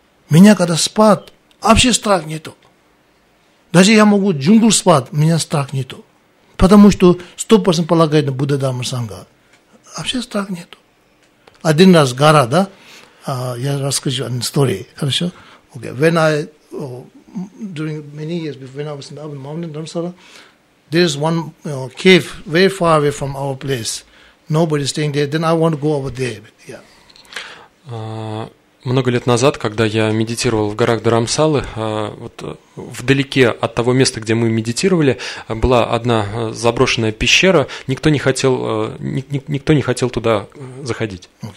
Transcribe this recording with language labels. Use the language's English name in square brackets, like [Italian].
[Russian] Меня когда спад, вообще страх нету. Даже я могу джунгл спад, меня страх нету. Потому что 100% полагает на Будда, Дхамма, Сангха. Вообще страх нету. Один раз гора, да? Я расскажу одну историю, хорошо? [English] Okay. When I, during many years, when I was in Abu Mountain, Dharamsala, there is one cave very far away from our place. Nobody staying there. Then I want to go over there. Yeah. [Russian] Много лет назад, когда я медитировал в горах Дарамсалы, вот вдалеке от того места, где мы медитировали, была одна заброшенная пещера, никто не хотел туда заходить.